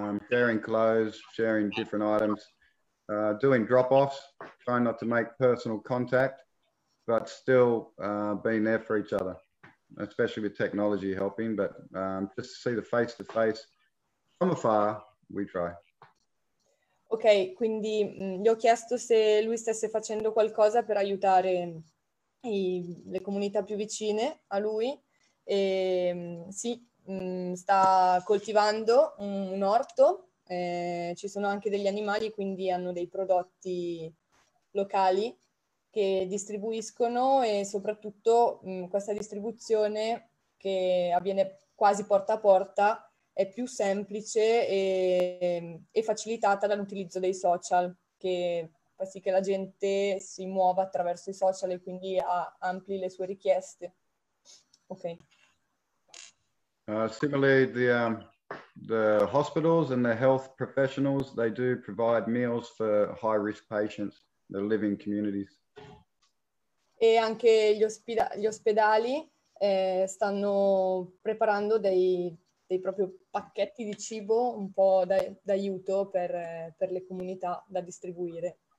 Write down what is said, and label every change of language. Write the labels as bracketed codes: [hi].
[en] Sharing clothes, sharing different items, doing drop-offs, trying not to make personal contact, but still being there for each other, especially with technology helping. But just to see the face-to-face from afar, we try. [it] Ok, quindi gli ho chiesto se lui stesse facendo qualcosa per aiutare le comunità più vicine a lui. E, sì, sta coltivando un orto, ci sono anche degli animali, quindi hanno dei prodotti locali che distribuiscono e soprattutto questa distribuzione che avviene quasi porta a porta. È più semplice e facilitata dall'utilizzo dei social, che fa sì che la gente si muova attraverso i social e quindi ampli le sue richieste. Ok. [en] Similarly, the hospitals and the health professionals, they do provide meals for high-risk patients that live in communities. [it] E anche gli ospedali stanno preparando dei propri pacchetti di cibo un po' d'aiuto per le comunità da distribuire.